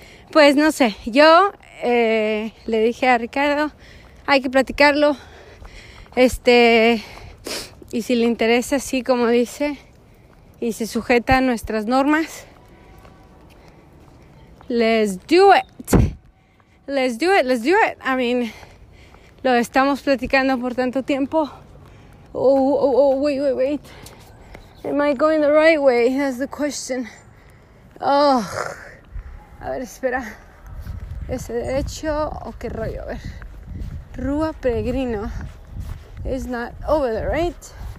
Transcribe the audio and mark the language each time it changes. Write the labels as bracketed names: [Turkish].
[Spanish] Pues no sé, yo le dije a Ricardo, hay que platicarlo, y si le interesa, sí, como dice, y se sujeta a nuestras normas, [English] let's do it, I mean, [Spanish] lo estamos platicando por tanto tiempo. [English] Wait, am I going the right way, that's the question. [Spanish] A ver, espera. ¿Ese derecho o qué rollo? A ver. Rúa Peregrino. [English] It's not over there, right?